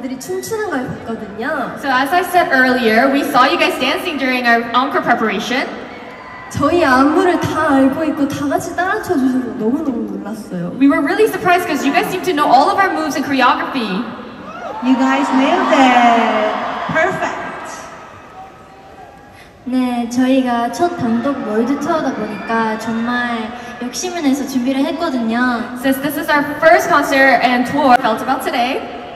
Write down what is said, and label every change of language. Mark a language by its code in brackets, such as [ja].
[en] So as I said earlier, we saw you guys dancing during our encore preparation. [ko] 저희 안무를 다 알고 있고 다 같이 따라쳐 주셔서 너무너무 놀랐어요. [en] We were really surprised because you guys seem to know all of our moves and choreography. You guys nailed it. Perfect. [ko] 네, 저희가 첫 단독 월드 투어다 보니까 정말 욕심을 내서 준비를 했거든요. [en] Since this is our first concert and tour, felt about today.